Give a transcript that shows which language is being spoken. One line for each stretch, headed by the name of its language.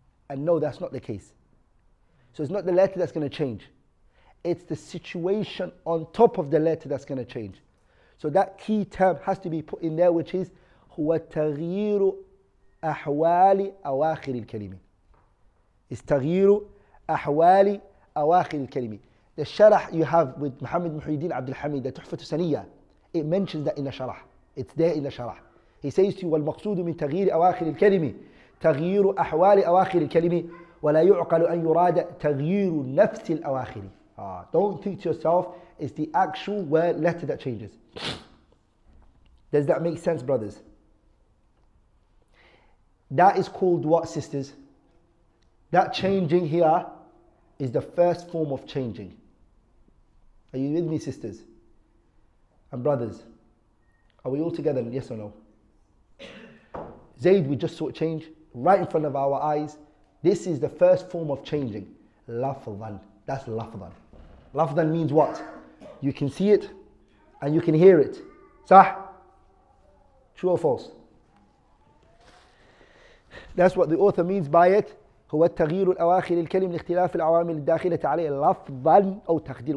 English: And no, that's not the case. So it's not the letter that's going to change. It's the situation on top of the letter that's going to change. So that key term has to be put in there, which is
Arabic: هو تغيير أحوال أواخر الكلمة.
English: It's
Arabic: تغيير أحوال أواخر الكلمة.
English: The sharah you have with Muhammad Muhyiddin Abdul Hamid, the Tuhfatu Saniyya, it mentions that in the sharah. It's there in the sharah. He says to you,
Arabic: والمقصود من تغيير أواخر الكلمة تغيير أحوال أواخر الكلمة ولا يعقل أن يراد تغيير نفس الأواخر.
English: Don't think to yourself, it's the actual word letter that changes. Does that make sense, brothers? That is called what, sisters? That changing here is the first form of changing. Are you with me, sisters? And brothers, are we all together? Yes or no? Zayd, we just saw it change right in front of our eyes. This is the first form of changing. Lafzan. That's lafzan. Lafzan means what? You can see it and you can hear it. Sah? True or false? That's what the author means by it.
Arabic: هو التغيير الأواخر الكلم لاختلاف العوامل الداخلة عليه لفظا أو تخدير.